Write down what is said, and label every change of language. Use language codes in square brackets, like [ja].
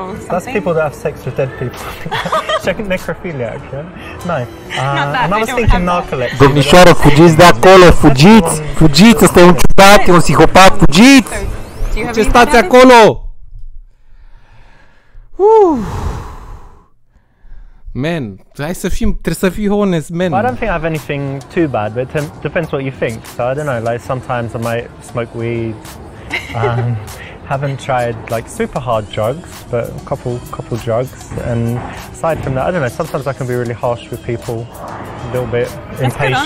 [en] That's people that have sex with dead people. Necrophiliac, yeah? No. And I was thinking narcolepsy. [ro] Domnișoară, fugiți de acolo, fugiți! Fugiți, ăsta e un ciudat, e un psihopat, fugiți! Ce stați acolo? Man, hai să fim, trebuie să fii honest, man. [en] I don't think I have anything too bad, but it depends what you think. So I don't know, like sometimes I might smoke weed. haven't tried like super hard drugs, but a couple drugs. And aside from that, I don't know, sometimes I can be really harsh with people. A little bit impatient.